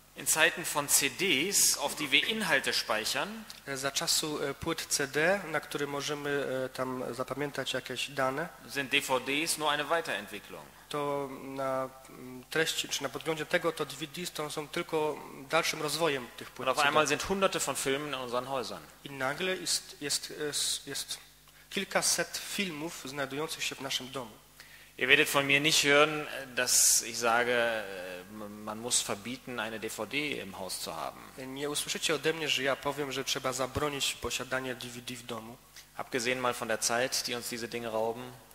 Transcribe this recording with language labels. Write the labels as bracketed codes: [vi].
[de] In Zeiten von CDs, auf die wir Inhalte speichern, [pl] za czasu płyt CD, na który możemy tam zapamiętać jakieś dane, [de] sind DVDs nur eine Weiterentwicklung. [pl] To na treści, czy na podglądzie tego, to DVDs to są tylko dalszym rozwojem tych płyt. [de] Und auf einmal sind hunderte von Filmen in unseren Häusern. [pl] I nagle jest kilkaset filmów znajdujących się w naszym domu. [de] Ihr werdet von mir nicht hören, dass ich sage, man muss verbieten, eine DVD im Haus zu haben. [pl] Nie usłyszycie ode mnie, że ja powiem, że trzeba zabronić posiadanie DVD w domu. [de] Abgesehen mal von der Zeit, die uns diese Dinge rauben.